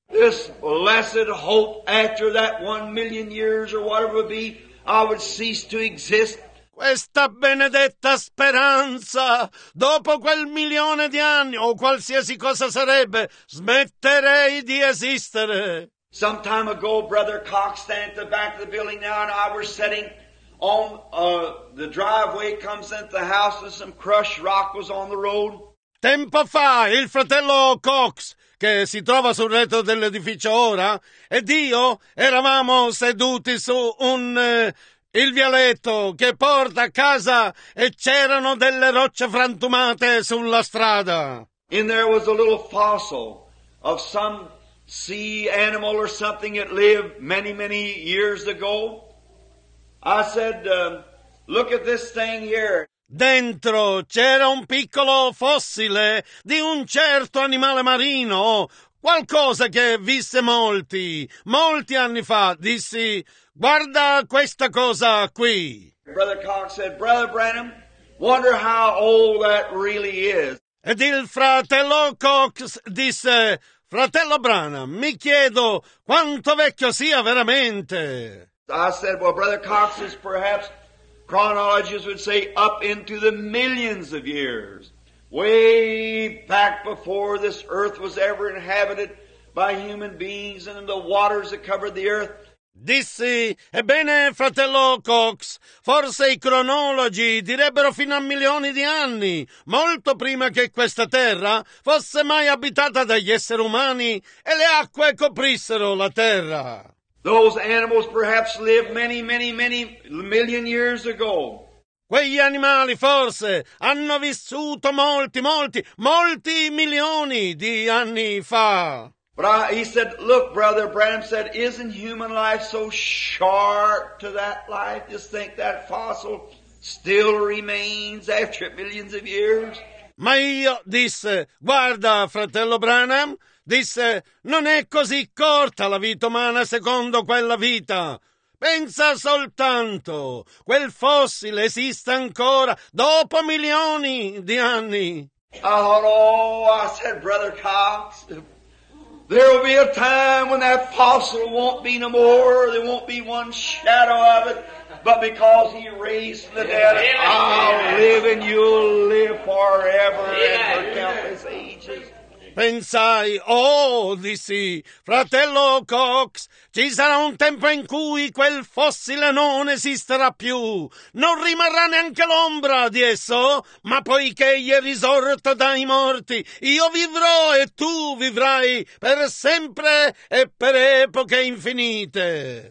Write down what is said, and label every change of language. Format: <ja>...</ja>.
<en>This blessed hope after that 1 million years or whatever it be, I would cease to exist.</en> <it>Questa benedetta speranza, dopo quel milione di anni o qualsiasi cosa sarebbe, smetterei di esistere.</it> <en>Some time ago, Brother Cox stand at the back of the building now, and I were sitting on the driveway, comes into the house, and some crushed rock was on the road.</en> <it>Tempo fa, il fratello Cox, che si trova sul retro dell'edificio ora, ed io eravamo seduti su un il vialetto che porta a casa, e c'erano delle rocce frantumate sulla strada.</it> <en>And there was a little fossil of some sea animal or something that lived many, many years ago. I said, look at this thing here.</en> <it>Dentro c'era un piccolo fossile di un certo animale marino, qualcosa che visse molti, molti anni fa. Dissi, guarda questa cosa qui.</it> <en>Brother Cox said, Brother Branham, wonder how old that really is.</en> <it>Ed il fratello Cox disse, fratello Branham, mi chiedo quanto vecchio sia veramente.</it> <en>I said, well, Brother Cox is perhaps, chronologists would say, up into the millions of years, way back before this earth was ever inhabited by human beings and in the waters that covered the earth.</en> <it>Dissi, ebbene, fratello Cox, forse i cronologi direbbero fino a milioni di anni, molto prima che questa terra fosse mai abitata dagli esseri umani e le acque coprissero la terra.</it> <en>Those animals perhaps lived many, many, many million years ago.</en> <it>Quegli animali forse hanno vissuto molti, molti, molti milioni di anni fa.</it> <en>He said, look, Brother Branham said, isn't human life so short to that life? Just think that fossil still remains after millions of years.</en> <it>Ma io disse, guarda, fratello Branham, disse, non è così corta la vita umana secondo quella vita. Pensa soltanto, quel fossile esiste ancora dopo milioni di anni.</it> <en>I said, Brother Cox, there will be a time when that fossil won't be no more. There won't be one shadow of it. But because he raised from the dead, I'll live and you'll live forever and for countless ages.</en> <it>Pensai, oh, dissi, fratello Cox, ci sarà un tempo in cui quel fossile non esisterà più. Non rimarrà neanche l'ombra di esso, ma poiché egli è risorto dai morti, io vivrò e tu vivrai per sempre e per epoche infinite.</it>